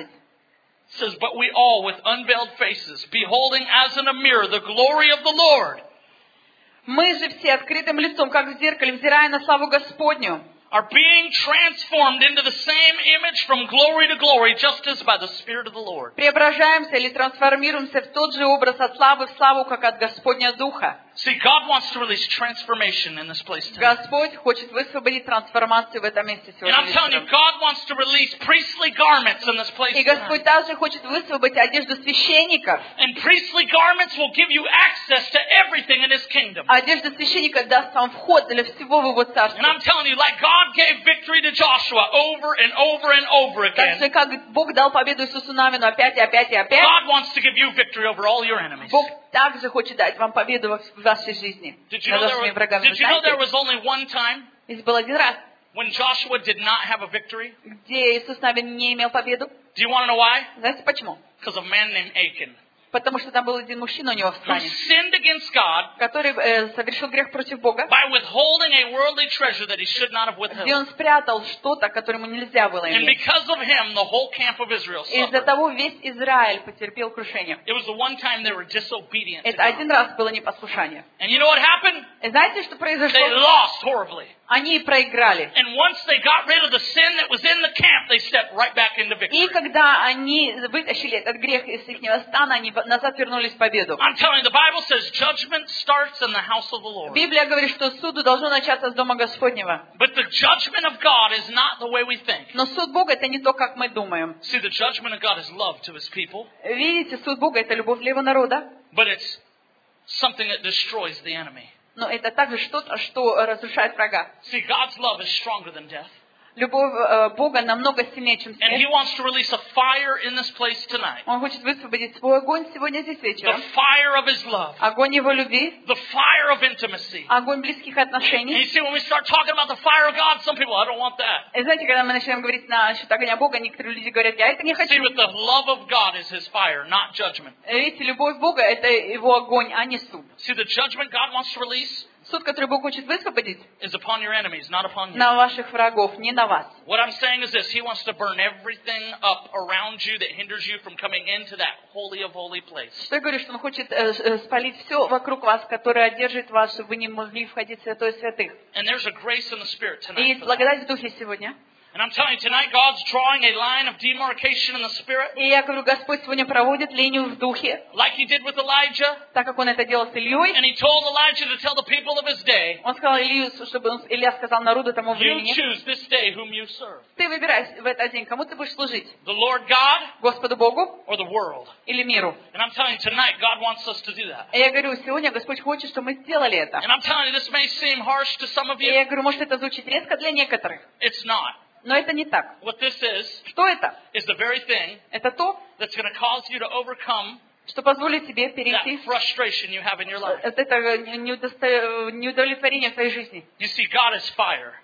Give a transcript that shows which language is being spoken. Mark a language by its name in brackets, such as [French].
[English] It says, "But we all, with unveiled faces, beholding as in a mirror the glory of the Lord." [Russian] Мы же все открытым лицом, как в зеркале, взирая на славу Господню. [English] Are being transformed into the same image from glory to glory, just as by the Spirit of the Lord. [Russian] Преображаемся или трансформируемся в тот же образ от славы в славу, как от Господня Духа. [English] See, God wants to release transformation in this place tonight. [Russian] Господь хочет высвободить трансформацию в этом месте сегодня. [English] And I'm telling you, God wants to release priestly garments in this place. [Russian] И Господь также хочет высвободить одежду священников. [English] And priestly garments will give you access to everything in His kingdom. [Russian] Одежда священника даст вам вход для всего в Его царство. [English] And I'm telling you, like God gave victory to Joshua over and over and over again. [Russian] Так же как Бог дал победу Иисусу Навину опять и опять и опять. [English] God wants to give you victory over all your enemies. [Russian] Бог также хочет дать вам победу в вашей жизни. [English] Did you know there was only one time? [Russian] Здесь был один раз. [English] When Joshua did not have a victory? [Russian] Где Иисус Навин не имел победу? [English] Do you want to know why? [Russian] Знаете почему? [English] Because a man named Achan. [Russian] Потому что там был один мужчина у него в стане. [English] Who sinned against God? [Russian] Который совершил грех против Бога. [English] By withholding a worldly treasure that he should not have withheld. [Russian] Где он спрятал что-то, которое ему нельзя было иметь. [English] And because of him, the whole camp of Israel suffered. [Russian] Из-за того весь Израиль потерпел крушение. [English] It was the one time they were disobedient. [Russian] Это один раз было непослушание. [English] And you know what happened? [Russian] И знаете, что произошло? [English] They lost horribly. [Russian] Они проиграли. [English] And once they got rid of the sin that was in the camp, they stepped right back into victory. [Russian] И когда они вытащили этот грех из ихнего стана, они назад вернулись в победу. [English] I'm telling you, the Bible says judgment starts in the house of the Lord. [Russian] Библия говорит, что суд должно начаться с дома Господнего. [English] But the judgment of God is not the way we think. [Russian] Но суд Бога это не то, как мы думаем. [English] See, the judgment of God is love to His people. [Russian] Видите, суд Бога это любовь для Его народа. [English] But it's something that destroys the enemy. [Russian] Но это также что-то, что разрушает врага. [English] See, God's love is stronger than death. [Russian] Любовь Бога намного сильнее, чем смерть. Он хочет высвободить свой огонь сегодня здесь вечером. Огонь Его любви. Огонь близких отношений. И знаете, когда мы начинаем говорить насчет огня Бога, некоторые люди говорят, я это не хочу. Видите, любовь Бога — это Его огонь, а не суд. Видите, [English] judgment God wants to release. [Russian] Суд, который Бог хочет высвободить, [English] upon your enemies, not upon you. [Russian] На ваших врагов, не на вас. [English] What I'm saying is this: He wants to burn everything up around you that hinders you from coming into that holy of holy place. [Russian] Что я говорю, что он хочет спалить все вокруг вас, которое одержит вас, чтобы вы не могли входить в святое святых. [English] And there's a grace in the Spirit tonight. [Russian] И есть благодать в духе сегодня. [English] And I'm telling you tonight, God's drawing a line of demarcation in the Spirit. [Russian] И я говорю, Господь сегодня проводит линию в духе. [English] Like He did with Elijah. [Russian] Так как Он это делал с Ильей. [English] And He told Elijah to tell the people of His day. [Russian] Он сказал Илью, чтобы Илья сказал народу тому времени. [English] You choose this day whom you serve. [Russian] Ты выбирай в этот день, кому ты будешь служить. [English] The Lord God. [Russian] Господу Богу. [English] Or the world. [Russian] Или миру. [English] And I'm telling you tonight, God wants us to do that. [Russian] И я говорю, сегодня Господь хочет, чтобы мы сделали это. [English] And I'm telling you, this may seem harsh to some of you. [Russian] И я говорю, может это звучит резко для некоторых. [English] It's not. [Russian] Но это не так. [English] What this is, [Russian] что это? [English] Is the very thing, [Russian] это то, [English] that's going to cause you to overcome, [Russian] что позволит тебе перейти [English] that frustration you have in your life. [Russian] Это неудовлетворение в твоей жизни. [English] You see, God is fire.